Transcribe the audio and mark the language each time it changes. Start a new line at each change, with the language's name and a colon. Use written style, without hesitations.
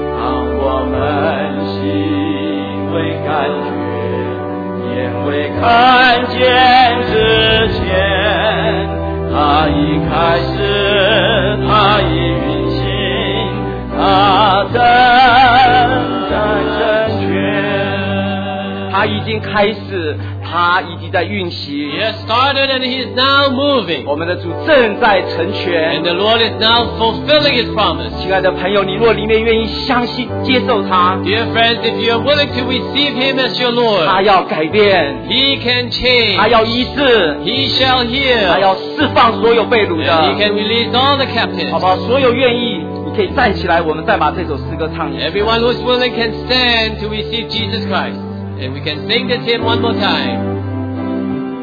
Chinese: 当我们心未感觉，眼未看见之前，他已开始，他已运行，他正在成全。他已经开始，他已经在运行。
English: He has started and he is now moving.
Chinese: 我们的主正在成全。
English: And the Lord is now fulfilling his promise.
Chinese: 亲爱的朋友，你若里面愿意相信接受他。
English: Dear friends, if you are willing to receive him as your Lord.
Chinese: 他要改变。
English: He can change.
Chinese: 他要医治。
English: He shall heal.
Chinese: 他要释放所有被掳的。
English: And he can release all the captives.
Chinese: 好不好？所有愿意，你可以站起来，我们再把这首诗歌唱一下。
English: Everyone who is willing can stand to receive Jesus Christ. And we can sing this hymn one more time.